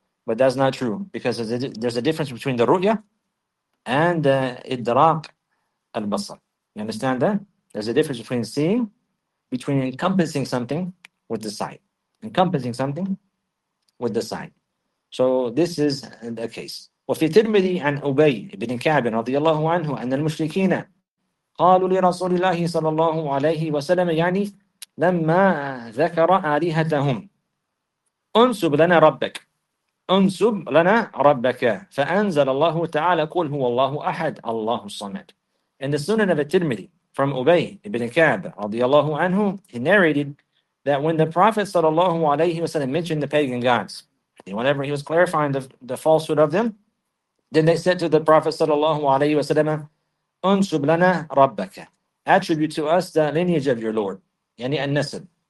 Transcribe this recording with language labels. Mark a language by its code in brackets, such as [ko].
[en] But that's not true, because there's a difference between the ru'ya and the idraq al-basar. You understand that? There's a difference between seeing, between encompassing something with the sight. Encompassing something with the sight. So this is the case. [ar] وفي ترمذي عن أبي بن كعب رضي الله عنه أن المشركين قالوا لرسول الله صلى الله عليه وسلم يعني لما ذكر آلهتهم أنسب لنا ربك أنسب لنا ربك فأنزل الله تعالى قل هو الله أحد الله الصمد. [en] In the Sunan of at-Tirmidhi from Ubay ibn Ka'b رضي الله عنه, he narrated that when the Prophet صلى الله عليه وسلم mentioned the pagan gods, whenever he was clarifying the falsehood of them, then they said to the Prophet sallallahu alayhi wa sallam, "Unsub lana rabbaka," attribute to us the lineage of your Lord, yani an-nasab.